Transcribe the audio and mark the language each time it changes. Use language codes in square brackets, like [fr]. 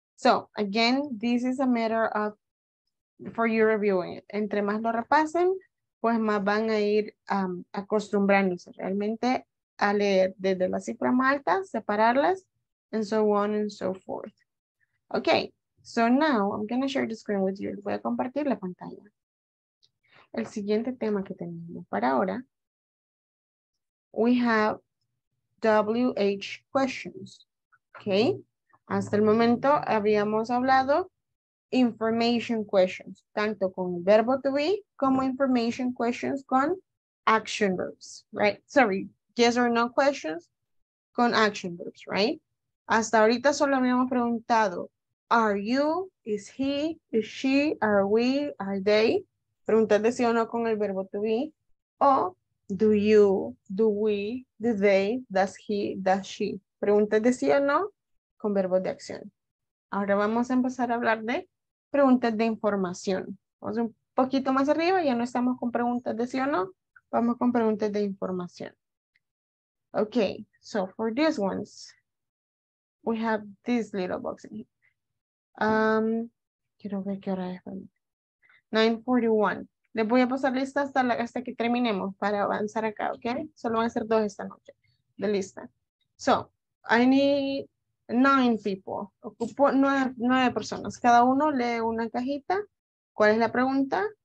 [en] So again, this is a matter of for you reviewing it. [es] Entre más lo repasen, pues más van a ir acostumbrándose realmente a leer desde la cifra más alta, separarlas, [en] and so on and so forth. Okay, so now I'm going to share the screen with you. [es] Voy a compartir la pantalla. El siguiente tema que tenemos para ahora, [en] we have WH questions. [es] Okay, hasta el momento habíamos hablado information questions, tanto con el verbo to be como information questions con action verbs, right? [en] Sorry, yes or no questions con action verbs, right? [es] Hasta ahorita solo habíamos preguntado, [en] are you, is he, is she, are we, are they? [es] Preguntas de sí o no con el verbo to be. [en] O do you, do we, do they, does he, does she? [es] Preguntas de sí o no con verbos de acción. Ahora vamos a empezar a hablar de preguntas de información. Vamos un poquito más arriba, ya no estamos con preguntas de sí o no, vamos con preguntas de información. [en] Okay, so for these ones, we have this little box in here. [es] Quiero ver qué hora es. 9:41. Les voy a pasar lista hasta que terminemos para avanzar acá, okay? Solo van a ser dos esta noche de lista. [en] So, I need 9 people. [es] Ocupo 9 personas. Cada uno lee una cajita. ¿Cuál es la pregunta?